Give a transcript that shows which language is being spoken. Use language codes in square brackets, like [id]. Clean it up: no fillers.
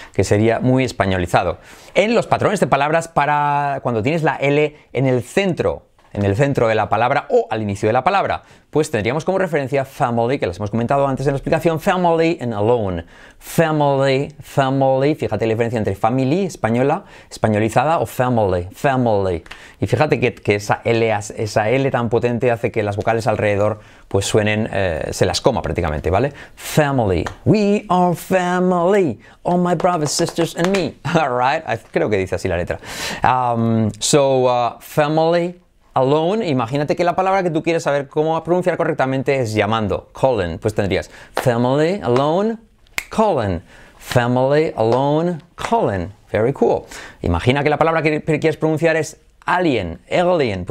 [es] Que sería muy españolizado. En los patrones de palabras para cuando tienes la L en el centro, de la palabra o al inicio de la palabra, pues tendríamos como referencia family, que las hemos comentado antes en la explicación, family and alone. Family, fíjate la diferencia entre family, española, españolizada, o family. Y fíjate que esa L tan potente hace que las vocales alrededor pues suenen, se las coma prácticamente, ¿vale? [en] Family, we are family, all my brothers, sisters and me. [es] Alright, creo que dice así la letra. Family, alone, imagínate que la palabra que tú quieres saber cómo pronunciar correctamente es llamando, calling. Pues tendrías family, alone, calling. Family, alone, calling. [en] Very cool. [es] Imagina que la palabra que quieres pronunciar es alien, alien.